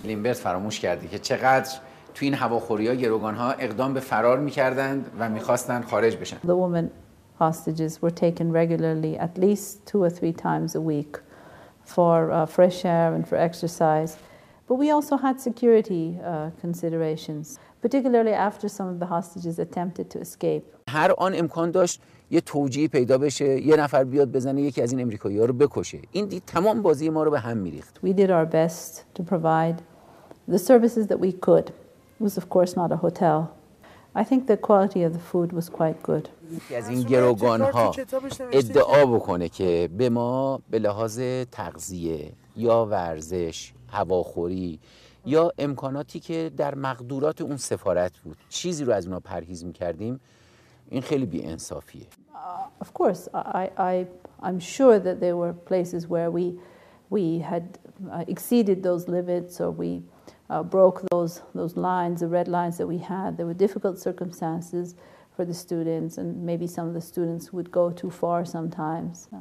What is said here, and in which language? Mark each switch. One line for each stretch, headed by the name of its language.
Persian: Limbert فراموش کرده که چقدر تو این هواخوری‌ها گروگان‌ها اقدام به فرار می‌کردند و می‌خواستند خارج بشن.
English: The woman hostages were taken regularly, at least two or three times a week, for fresh air and for exercise. But we also had security considerations, particularly after some of the hostages attempted to escape.
Persian: هر آن امکان داشت یه توجیه پیدا بشه، یه نفر بیاد بزنه یکی از این امریکایی‌ها رو بکشه. این دید تمام بازی ما رو به هم می‌ریخت.
English: We did our best to provide the services that we could. It was, of course, not a hotel. I think the quality of the food was quite good.
Persian: از این گروگان‌ها ادعا بکنه که به ما به لحاظ تغذیه یا ورزش، هواخوری یا امکاناتی که در مقدورات اون سفارت بود چیزی رو از اونا پرهیز می‌کردیم، این خیلی بی‌انصافیه.
English: Of course, I'm sure that there were places where we had exceeded those limits, or we broke those lines, the red lines that we had. There were difficult circumstances for the students, and maybe some of the students would go too far sometimes.